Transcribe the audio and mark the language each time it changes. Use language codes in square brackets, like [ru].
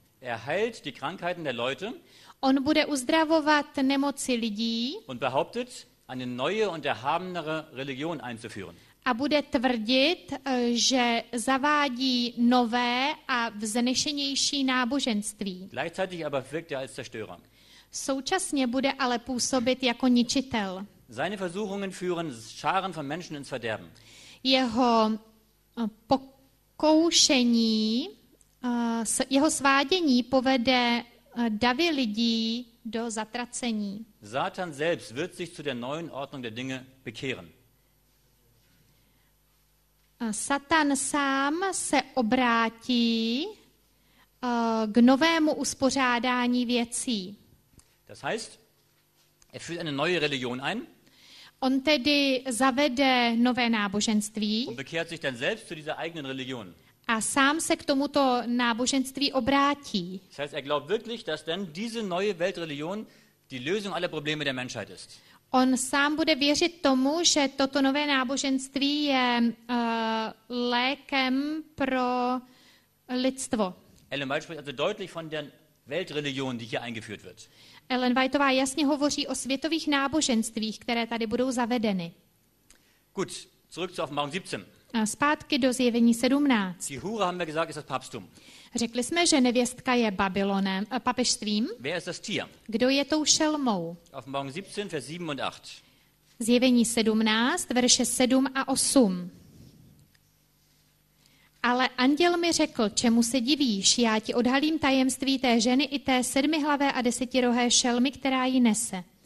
[de] Er heilt die Krankheiten der Leute. [cs] On bude uzdravovat nemoci lidí. [de] Und behauptet, eine neue und erhabenere Religion einzuführen. [cs] A bude tvrdit, že zavádí nové a vznešenější náboženství. [de] Gleichzeitig aber wirkt er als Zerstörer. [cs] Současně bude ale působit jako ničitel. [de] Seine Versuchungen führen Scharen von Menschen ins Verderben. [cs] Jeho pokoušení, jeho svádění povede davy lidí do zatracení. [de] Satan selbst wird sich zu der neuen Ordnung der Dinge bekehren. [cs] Satan sám se obrátí k novému uspořádání věcí. [de] Das heißt, er führt eine neue Religion ein. [cs] On tedy zavede nové náboženství. [de] Und bekehrt sich dann selbst zu dieser eigenen Religion. [cs] A sám se k tomuto náboženství obrátí. [de] Das heißt, er glaubt wirklich, dass denn diese neue Weltreligion die Lösung aller Probleme der Menschheit ist. [cs] On sám bude věřit tomu, že toto nové náboženství je lékem pro lidstvo. [de] Ellen White spricht also deutlich von der Weltreligion, die hier eingeführt wird. [cs] Ellen Whiteová jasně hovoří o světových náboženstvích, které tady budou zavedeny. [de] Gut, zurück zu Offenbarung 17. [cs] Zpátky do zjevení 17. [de] Die Hure, haben wir gesagt, ist das Papsttum. [cs] Řekli jsme, že nevěstka je Babylonem, papežstvím. [de] Wer ist das Tier? [cs] Kdo je tou šelmou? [de] Offenbarung 17, Vers 7 und 8. [cs] Zjevení 17, verše 7 a 8. Ale anděl mi řekl, čemu se divíš, já ti odhalím tajemství té ženy i té sedmihlavé a desetirohé šelmy, která ji nese.